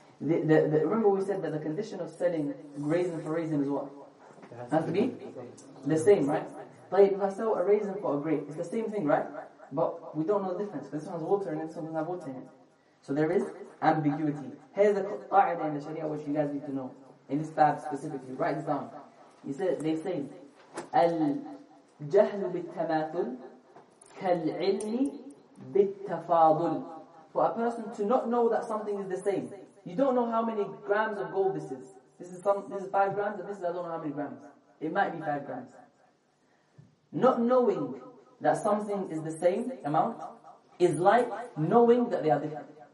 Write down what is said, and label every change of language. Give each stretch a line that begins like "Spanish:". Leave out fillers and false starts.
English: Remember we said that the condition of selling raisin for raisin is what? It has to be the same, right? Like if I sell a raisin for a grape, it's the same thing, right? But we don't know the difference. This one has water and this one doesn't have water in it. So there is ambiguity. Here's a qa'ida in the Sharia which you guys need to know. In this bab specifically. Write this down.
Arabic: They say, الجهل بالتماثل كالعلم بالتفاضل.
English: For a person to not know that something is the same. You don't know how many grams of gold this is. This is 5 grams and this is, I don't know how many grams. It might be 5 grams. Not knowing that something is the same amount is like knowing that they are different.